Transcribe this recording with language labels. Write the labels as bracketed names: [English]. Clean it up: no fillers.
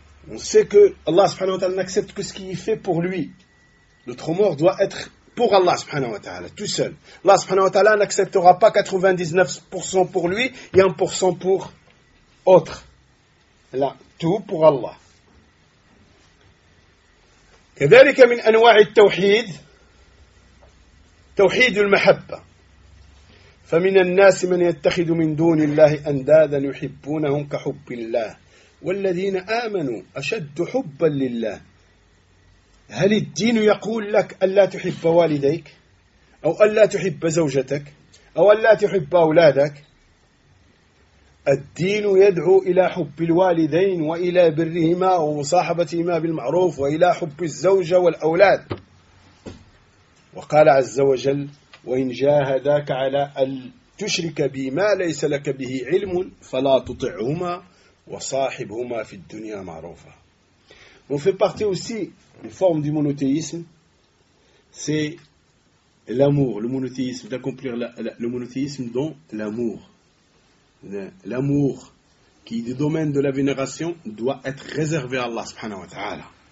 [French] On sait que Allah [Arabic] سبحانه وتعالى [French] n'accepte que ce qui est fait pour lui. Notre mort doit être pour Allah subhanahu wa ta'ala, tout seul. Allah subhanahu wa ta'ala n'acceptera pas 99% pour lui et 1% pour autre. Là, tout pour Allah. [Arabic] كذلك من أنواع التوحيد توحيد المحبة فمن الناس من يتخذ من دون الله أندادا يحبونهم كحب الله والذين آمنوا أشد حبا لله. هل الدين يقول لك ألا تحب والديك أو ألا تحب زوجتك أو ألا تحب أولادك؟ الدين يدعو إلى حب الوالدين وإلى برهما ومصاحبتهما بالمعروف وإلى حب الزوجة والأولاد. وقال عز وجل وإن جاهداك على أن تشرك بي ما ليس لك به علم فلا تطعهما وصاحبهما في الدنيا معروفة. [French] On fait partie aussi une forme du monothéisme, c'est l'amour, le monothéisme, d'accomplir le monothéisme dans l'amour. L'amour qui est du domaine de la vénération doit être réservé à Allah subhanahu wa ta'ala.